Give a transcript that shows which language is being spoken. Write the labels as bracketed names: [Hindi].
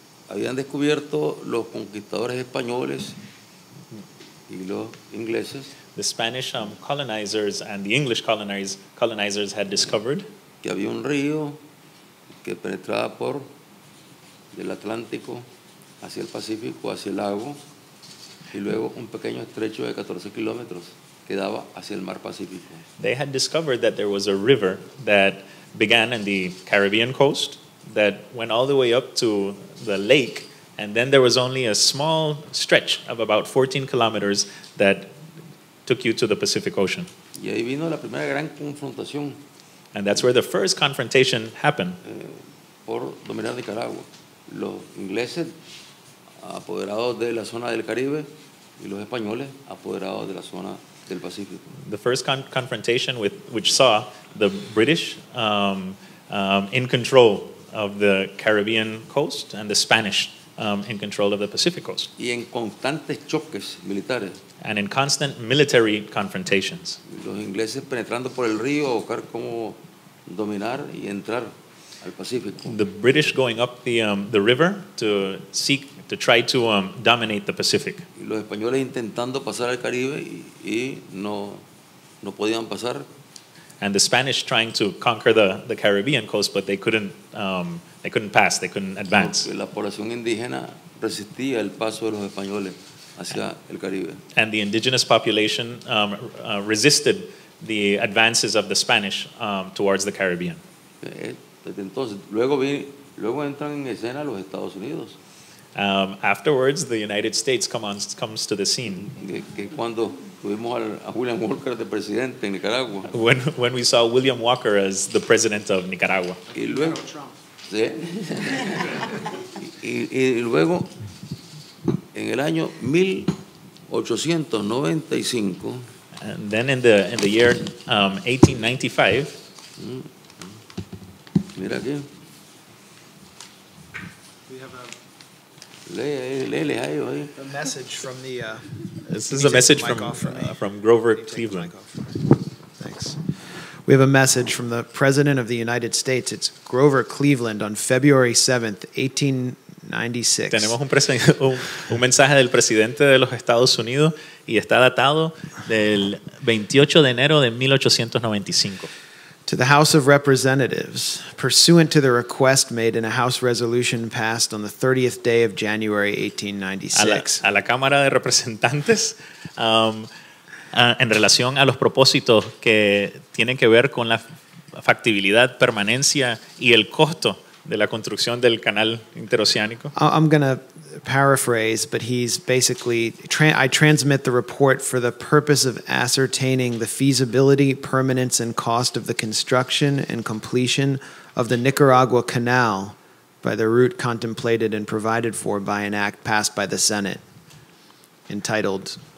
[Spanish] Habían descubierto los conquistadores españoles y los ingleses. [English] The Spanish colonizers and the English colonizers had discovered [Spanish] que había un río que penetraba por el Atlántico hacia el Pacífico, hacia el lago, y luego un pequeño estrecho de 14 kilómetros que daba hacia el mar Pacífico. [English] They had discovered that there was a river that began in the Caribbean coast that went all the way up to the lake, and then there was only a small stretch of about 14 kilometers that took you to the Pacific Ocean. [Spanish] Y ahí vino la primera gran confrontación. [English] And that's where the first confrontation happened. [Spanish] Por dominar Nicaragua. Los ingleses apoderados de la zona del Caribe y los españoles apoderados de la zona del Pacífico. [English] The first confrontation which saw the British in control of the Caribbean coast and the Spanish in control of the Pacific coast. [Spanish] Y en constantes choques militares. [English] And in constant military confrontations. [Spanish] Los ingleses penetrando por el río a buscar cómo dominar y entrar al Pacífico. [English] The British going up the river to try to dominate the Pacific. [Spanish] Y los españoles intentando pasar al Caribe y no podían pasar. [English] and the Spanish trying to conquer the Caribbean coast, but they couldn't pass, they couldn't advance. [Spanish] La población indígena resistía el paso de los españoles hacia el Caribe. [English] And the indigenous population resisted the advances of the Spanish towards the Caribbean. [Spanish] Entonces, luego entran en escena los Estados Unidos. [English] Afterwards, the United States comes to the scene. [Spanish] Que cuando tuvimos a William Walker de presidente en Nicaragua. [English] When we saw William Walker as the president of Nicaragua. [Spanish] Y luego Trump. Sí. y luego en el año 1895. [English] And then in the year 1895. Mira aquí. A message from the. This is a message from Grover Cleveland. Thanks. We have a message from the President of the United States. It's Grover Cleveland on February 7th, 1896. [Spanish] Tenemos un mensaje del presidente de los Estados Unidos y está datado del 28 de enero de 1895. [English] To the House of Representatives, pursuant to the request made in a House resolution passed on the 30th day of January 1896. [Spanish] A la Cámara de Representantes, en relación a los propósitos que tienen que ver con la factibilidad, permanencia y el costo de la construcción del canal interoceánico. [English] I'm going to paraphrase, but he's basically, I transmit the report for the purpose of ascertaining the feasibility, permanence, and cost of the construction and completion of the Nicaragua Canal by the route contemplated and provided for by an act passed by the Senate, entitled...